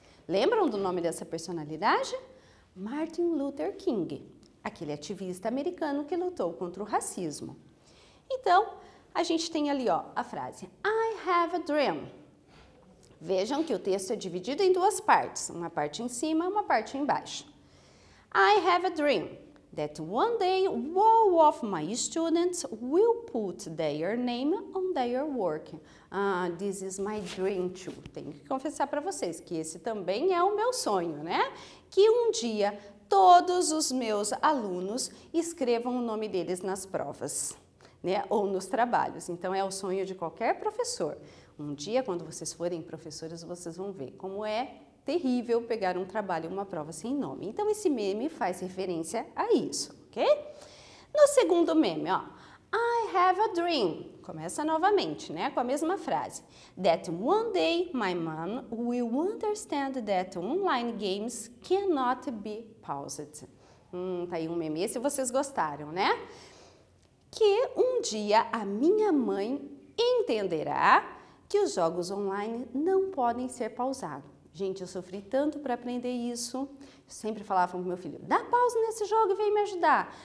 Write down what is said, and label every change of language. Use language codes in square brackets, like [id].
[pt] Lembram do nome dessa personalidade? Martin Luther King, aquele ativista americano que lutou contra o racismo. Então, a gente tem ali, ó, a frase, [en] I have a dream. [pt] Vejam que o texto é dividido em duas partes, uma parte em cima e uma parte embaixo. [en] I have a dream that one day all of my students will put their name on their work. This is my dream too. [pt] Tenho que confessar para vocês que esse também é o meu sonho, né? Que um dia todos os meus alunos escrevam o nome deles nas provas, né? Ou nos trabalhos. Então, é o sonho de qualquer professor. Um dia, quando vocês forem professores, vocês vão ver como é terrível pegar um trabalho, uma prova sem nome. Então, esse meme faz referência a isso, ok? No segundo meme, ó, [en] I have a dream. [pt] Começa novamente, né, com a mesma frase. [en] That one day my mom will understand that online games cannot be paused. [pt] Tá aí um meme, se vocês gostaram, né? Que um dia a minha mãe entenderá que os jogos online não podem ser pausados. Gente, eu sofri tanto para aprender isso. Eu sempre falava pro meu filho, dá pausa nesse jogo e vem me ajudar.